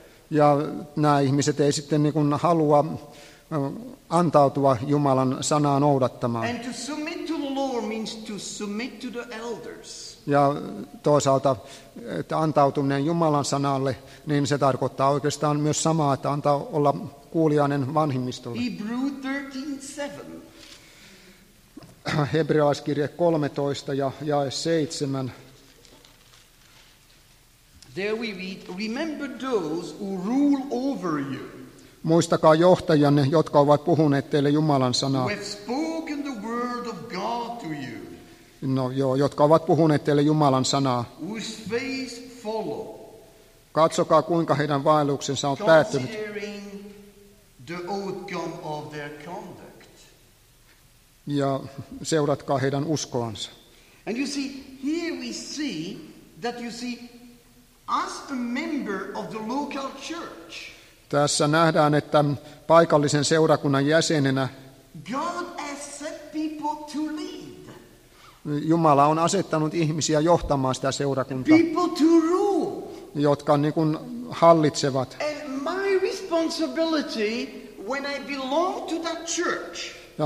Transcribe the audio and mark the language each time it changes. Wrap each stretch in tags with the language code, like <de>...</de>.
<fi>Ja nämä ihmiset eivät sitten niin kuin halua antautua Jumalan sanaa noudattamaan.</fi> <en>And to submit to the Lord means to submit to the elders.</en> <fi>Ja toisaalta, että antautuminen Jumalan sanalle, niin se tarkoittaa oikeastaan myös samaa, että antaa olla kuulijainen vanhimmistolle.</fi> <en>Hebrews 13:7.</en> <fi>Hebrealaiskirje 13 ja jae 7.</fi> <en>There we read, remember those who rule over you.</en> <fi>Muistakaa johtajanne, jotka ovat puhuneet teille Jumalan sanaa.</fi> <en>Who have spoken the word of God to you.</en> <fi>No joo, jotka ovat puhuneet teille Jumalan sanaa.</fi> <en>Whose face follow.</en> <fi>Katsokaa, kuinka heidän vaelluksensa on päättynyt.</fi> <en>Considering the outcome of their conduct.</en> <fi>Ja seuratkaa heidän uskoansa.</fi> <en>And you see, here we see that you see as a member of the local church.</en> <fi>Tässä nähdään, että paikallisen seurakunnan jäsenenä</fi> <en>God has set people to lead.</en> <fi>Jumala on asettanut ihmisiä johtamaan sitä seurakuntaa.</fi> <en>People to rule.</en> <fi>Jotka niin kuin hallitsevat.</fi> <en>And my responsibility when I belong to that church.</en>